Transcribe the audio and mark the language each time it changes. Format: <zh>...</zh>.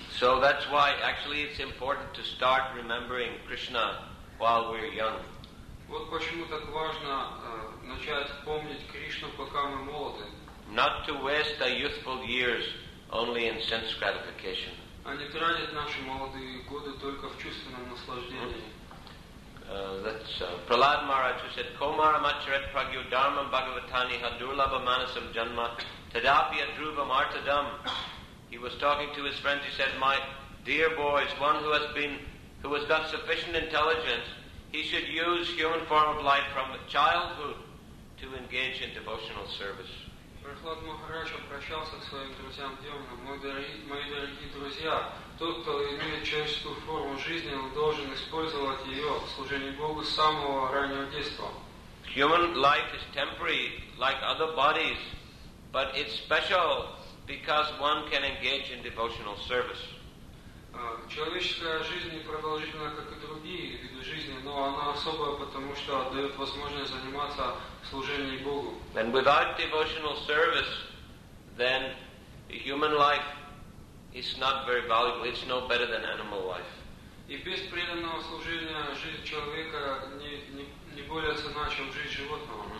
<en>So that's why actually it's important to start remembering Krishna while we're young.</en> <ru>Вот почему так важно начать помнить Кришну, пока мы молоды.</ru> <en>Not to waste our youthful years only in sense gratification.</en> <ru>А не тратить наши молодые годы только в чувственном наслаждении.</ru> <en>Prahlad Maharaj who said,</en> <sa>Komara Macharet Pragyu Dharmam Bhagavatani Hadurlabha Manasam Janma Tadapya Dhruvam Artadam.</sa> <en>He was talking to his friends, he said, my dear boys, one who has been, who has got sufficient intelligence, he should use human form of life from childhood to engage in devotional service.</en> <ru>Прохлад Махарадж обращался к своим друзьям демонам. Мои дорогие друзья, тот, кто имеет человеческую форму жизни, он должен использовать ее в служении Богу с самого раннего детства.</ru> <en>Human life is temporary, like other bodies, but it's special because one can engage in devotional service.</en> <ru>Человеческая жизнь не продолжительна, как и другие виды жизни, но она особая, потому что дает возможность заниматься служением Богу.</ru> <en>And without devotional service, then human life is not very valuable. It's no better than animal life.</en> <ru>И без преданного служения жизнь человека не более ценна, чем жизнь животного.</ru>